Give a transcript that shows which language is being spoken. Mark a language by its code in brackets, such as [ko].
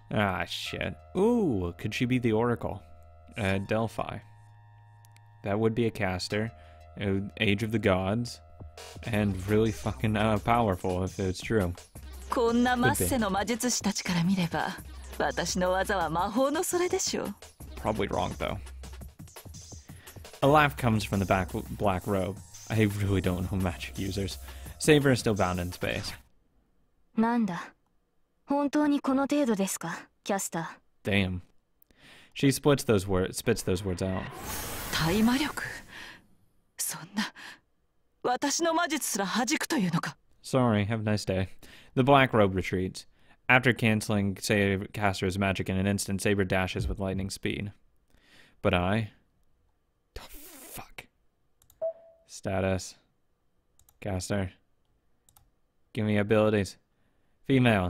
[en] Ah, shit. Ooh, could she be the Oracle? Delphi. That would be a caster. Age of the Gods. And really fucking powerful, if it's true. [ja] こんなマッセの魔術師たちから見れば、私の技は魔法のそれでしょ。 [en] Probably wrong, though. A laugh comes from the back black robe. I really don't know magic users. Saber is still bound in space. [ja] なんだ、本当にこの程度ですか、キャスター。 [en] Damn. She spits those words out. [ja] 大魔力。そんな、私の魔術すら弾くというのか。 [en] Sorry, have a nice day. The black robe retreats. After canceling Caster's magic in an instant, Saber dashes with lightning speed. But I... the fuck? Status. Caster. Give me abilities. Female.